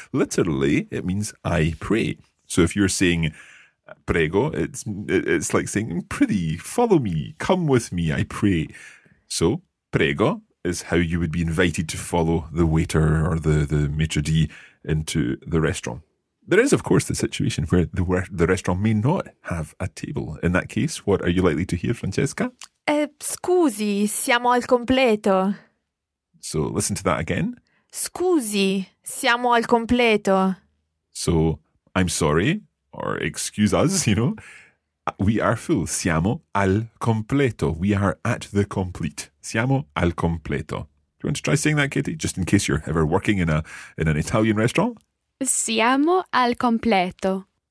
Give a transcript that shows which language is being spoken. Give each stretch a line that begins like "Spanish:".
English: Literally, it means I pray. So if you're saying prego, it's like saying, pretty, follow me, come with me, I pray. So prego is how you would be invited to follow the waiter or the maitre d' into the restaurant. There is, of course, the situation where the restaurant may not have a table. In that case, what are you likely to hear, Francesca?
Italian: Scusi, siamo al completo.
English: So listen to that again.
Italian: Scusi, siamo al completo.
English: So, I'm sorry, or excuse us, you know. We are full.
Italian: Siamo al completo.
English: We are at the complete.
Italian: Siamo al completo.
English: Do you want to try saying that, Katie, just in case you're ever working in an Italian restaurant?
Italian: Siamo al completo.